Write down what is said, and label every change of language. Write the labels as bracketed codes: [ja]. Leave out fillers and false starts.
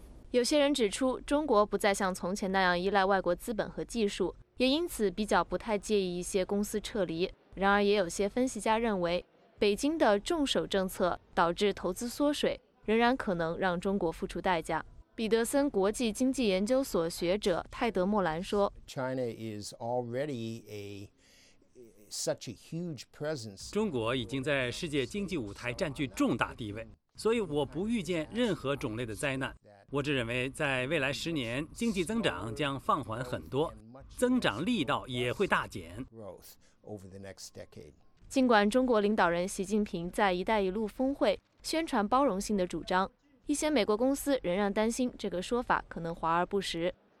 [zh] 有些人指出，中国不再像从前那样依赖外国资本和技术，也因此比较不太介意一些公司撤离。然而也有些分析家认为，北京的重手政策导致投资缩水，仍然可能让中国付出代价。彼得森国际经济研究所学者泰德·莫兰说， [en] China is already a such a huge presence. [zh] 中国已经在世界经济舞台占据重大地位，所以我不预见任何种类的灾难。我只认为在未来十年，经济增长将放缓很多，增长力道也会大减。尽管中国领导人习近平在一带一路峰会宣传包容性的主张，一些美国公司仍然担心这个说法可能华而不实。